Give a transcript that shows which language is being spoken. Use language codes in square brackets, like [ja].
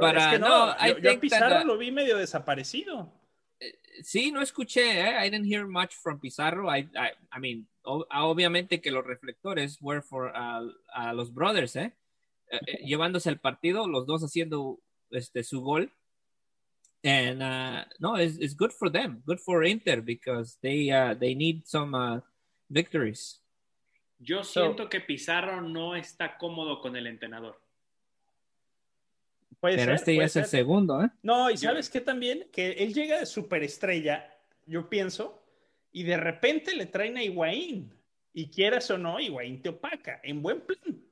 [es] Para, es que no, yo a Pizarro lo vi medio desaparecido. Sí, no escuché, [en] I didn't hear much from Pizarro. [es] Obviamente que los reflectores [en] were for [es] a los brothers, llevándose el partido, los dos haciendo su gol. [en] And no, it's good for them, good for Inter, because they need some victories. [es] Yo siento que Pizarro no está cómodo con el entrenador. Puede ser. El segundo, ¿eh? No, y sabes qué también, que él llega de superestrella, yo pienso, y de repente le traen a Higuaín, y quieras o no, Higuaín te opaca, en buen plan.